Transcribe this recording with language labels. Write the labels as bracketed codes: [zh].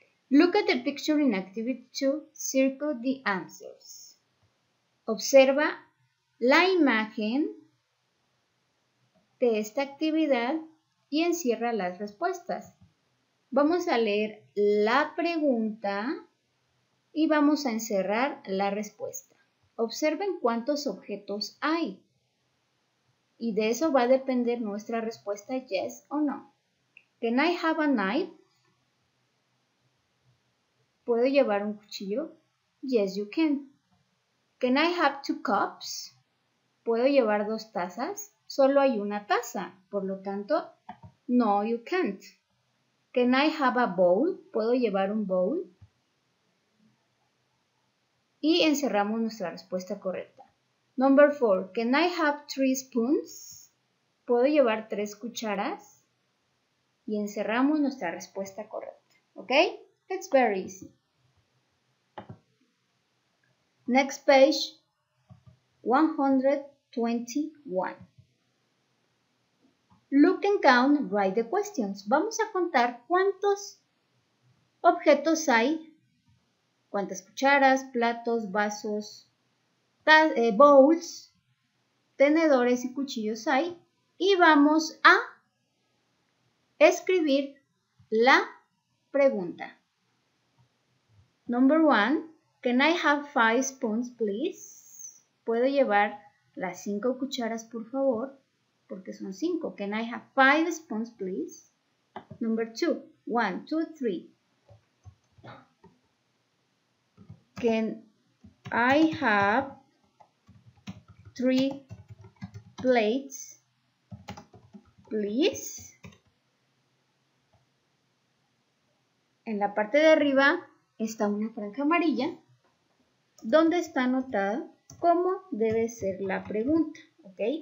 [en] Look at the picture in activity 2, circle the answers. [es] Observa la imagen de esta actividad y encierra las respuestas. Vamos a leer la pregunta y vamos a encerrar la respuesta. Observen cuántos objetos hay. Y de eso va a depender nuestra respuesta yes o no. [en] Can I have a knife? [es] ¿Puedo llevar un cuchillo? [en] Yes, you can. Can I have two cups? [es] ¿Puedo llevar dos tazas? Solo hay una taza, por lo tanto, no, you can't. [en] Can I have a bowl? ¿Puedo llevar un bowl? [es] Y encerramos nuestra respuesta correcta. [en] Number four, can I have three spoons? [es] ¿Puedo llevar tres cucharas? Y encerramos nuestra respuesta correcta. [en] ¿Ok? It's very easy. Next page, 121. Look and count, write the questions. [es] Vamos a contar cuántos objetos hay. ¿Cuántas cucharas, platos, vasos, bowls, tenedores y cuchillos hay? Y vamos a escribir la pregunta. [en] Number one, can I have five spoons, please? [es] ¿Puedo llevar las cinco cucharas, por favor? Porque son cinco. [en] Can I have five spoons, please? Number two, one, two, three. Can I have three plates, please? [es] En la parte de arriba está una franja amarilla donde está anotada cómo debe ser la pregunta, ¿ok?